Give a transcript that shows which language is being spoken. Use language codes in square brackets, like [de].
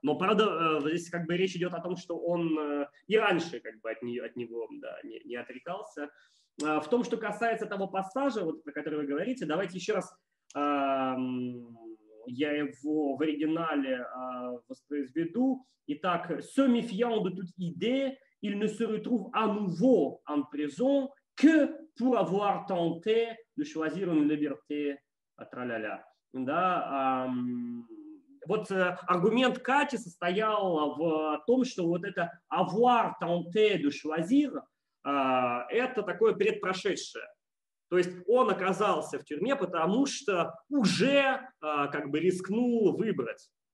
[ru] Но правда здесь как бы речь идет о том, что он и раньше как бы от него, да, не отрекался. В том, что касается того пассажа, вот, про который вы говорите, давайте еще раз я его в оригинале воспроизведу. Итак, [fr] «Se méfiant de toute idée, il ne se retrouve à nouveau en prison que pour avoir tenté de choisir une liberté tra-ля-ля». [ru] Да, вот аргумент Кати состоял в том, что вот это [fr] «avoir tenté de choisir» [ru] это такое предпрошедшее. То есть он оказался в тюрьме, потому что уже как бы рискнул выбрать.